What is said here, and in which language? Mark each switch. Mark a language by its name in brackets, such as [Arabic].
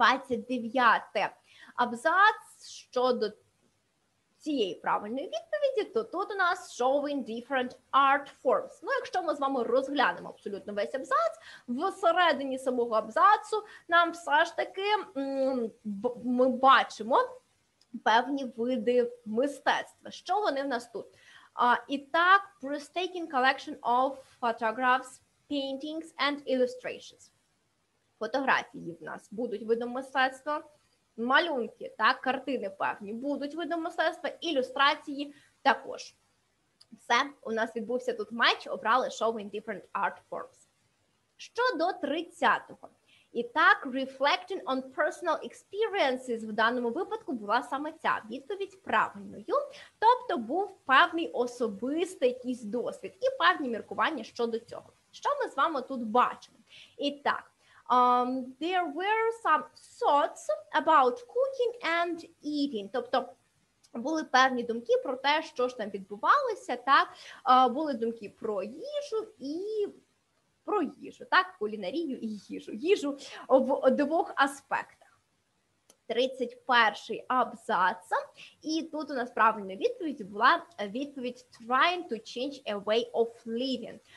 [Ukrainian] 29-й абзац щодо цієї правильної відповіді, то тут у нас [English] showing different art forms. [Ukrainian] Ну, якщо ми з вами розглянемо абсолютно весь абзац, всередині самого абзацу нам все ж таки ми бачимо певні види мистецтва. Що вони в нас тут? І так, [English] breathtaking collection of photographs, paintings and illustrations. [Ukrainian] Фотографії в нас будуть видом мистецтва. Малюнки та картини певні будуть видом мистецтва, ілюстрації також. Все, у нас відбувся тут матч, обрали [English] showing different art forms. [Ukrainian] Щодо 30-го. І так, [English] reflecting on personal experiences [Ukrainian] в даному випадку була саме ця відповідь правильною. Тобто був певний особистий якийсь досвід і певні міркування щодо цього. Що ми з вами тут бачимо? І так. [English] There were some thoughts about cooking and eating. [Ukrainian] Тобто були певні думки про те, що ж там відбувалося, так? Були думки про їжу і про їжу, так? Кулінарію і їжу. Їжу в двох аспектах. 31-й абзац. І тут у нас правильна відповідь була відповідь [English] trying to change a way of living.